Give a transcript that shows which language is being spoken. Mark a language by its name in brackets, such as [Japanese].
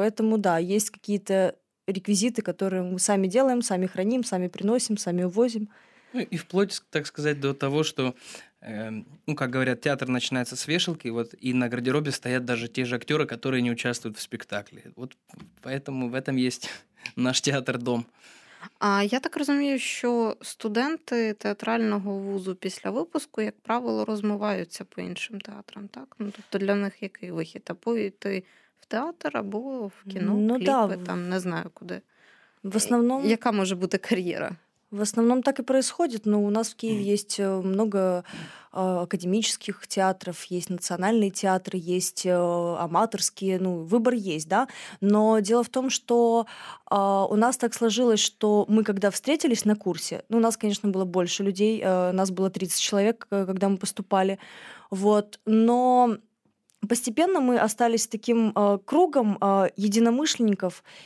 [Russian] Поэтому, да, есть какие-то реквизиты, которые мы сами делаем, сами храним, сами приносим, сами увозим. Ну, и вплоть, так сказать, до того, что ну, как говорят, театр начинается с вешалки, вот, и на гардеробе стоят даже те же актеры, которые не участвуют в спектакле. Вот поэтому в этом есть наш театр-дом. [Ukrainian] А я так розумію, що студенти театрального вузу після випуску, як правило, розмиваються по іншим театрам, так? Ну, тобто для них який вихід? Або йти в театр, або в кіно, ну, кліпи, да, там, не знаю куди. В основному... Яка може бути кар'єра? [Russian] В основном так и происходит, но у нас в Киеве есть много академических театров, есть национальные театры, есть аматорские, ну, выбор есть, да, но дело в том, что у нас так сложилось, что мы когда встретились на курсе, ну, у нас, конечно, было больше людей, нас было 30 человек, когда мы поступали, вот, но постепенно мы остались таким кругом единомышленников,